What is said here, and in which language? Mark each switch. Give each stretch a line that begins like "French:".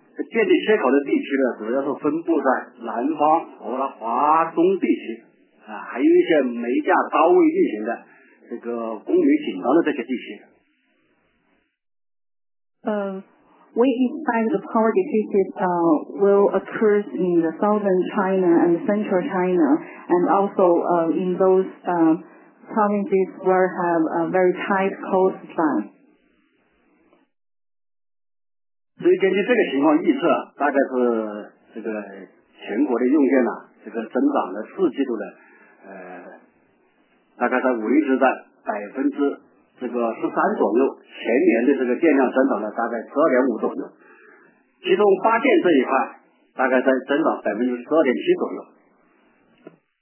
Chinese: 电力缺口的地区呢，主要是分布在南方和华东地区，啊，还有一些煤价高位运行的这个供煤紧张的这些地区。
English: We expect the power deficit will occur in the southern China and central China, and also in those provinces where have a very tight coal supply.
Chinese: 所以根据这个情况预测，大概是这个全国的用电呢、啊，这个增长的四季度呢，大概在维持在13%左右，全年的这个电量增长呢，大概12.5%左右，其中发电这一块大概在增长12.7%左右。